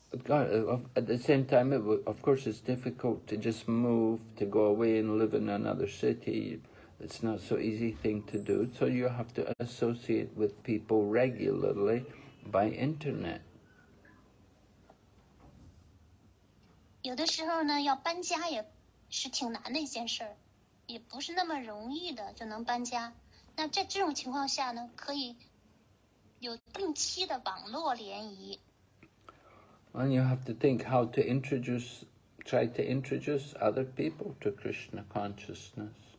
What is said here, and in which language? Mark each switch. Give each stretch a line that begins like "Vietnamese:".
English: At the same time, of course, it's difficult to just move, to go away and live in another city. It's not so easy thing to do. So you have to associate with people regularly. By internet.
Chinese: 有的时候呢，要搬家也是挺难的一件事儿，也不是那么容易的就能搬家。那在这种情况下呢，可以有定期的网络联谊。
English: And you have to think how to try to introduce other people to Krishna consciousness.